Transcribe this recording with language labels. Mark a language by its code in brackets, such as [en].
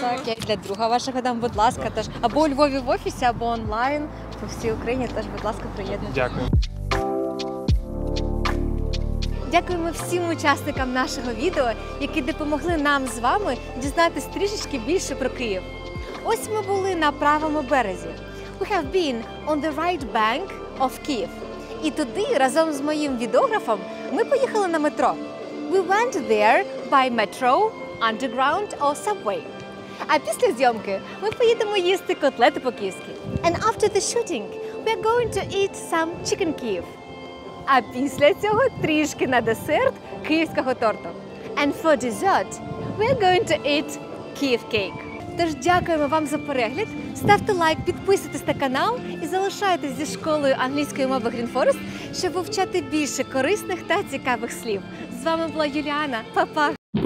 [uk] Так, я для друга вашого дам, будь ласка, теж або у Львові в офісі, або онлайн по всій Україні, теж, будь ласка, приєднуйтесь. Дякую. Дякуємо всім учасникам нашого відео, які допомогли нам з вами дізнатися трішечки більше про Київ. Ось ми були на правому березі. [en] We have been on the right bank of Kyiv. [uk] І туди, разом з моїм відеографом, ми поїхали на метро. [en] We went there by metro, underground or subway. [uk] А після зйомки ми поїдемо їсти котлети по-київськи. [en] And after the shooting, we are going to eat some chicken Kyiv. [uk] А після цього трішки на десерт київського торту. [en] And for dessert, we are going to eat Kyiv cake. [uk] Тож дякуємо вам за перегляд, ставте лайк, підписуйтесь на канал і залишайтесь зі школою англійської мови Green Forest, щоб вивчати більше корисних та цікавих слів. З вами була Юліана. Па-па!